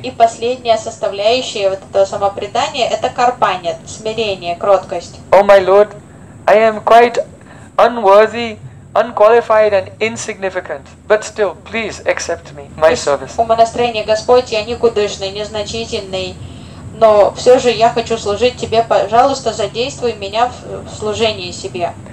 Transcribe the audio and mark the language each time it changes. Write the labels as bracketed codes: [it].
[ru] И последняя составляющая вот этого самопредания – это карпанья, смирение, кроткость. [en] Oh my Lord, I am quite unworthy, unqualified and insignificant, but still, please accept me, my service. [ru] У монастырения Господь, я никудышный, незначительный, но все же я хочу служить Тебе, пожалуйста, задействуй меня в служении себе.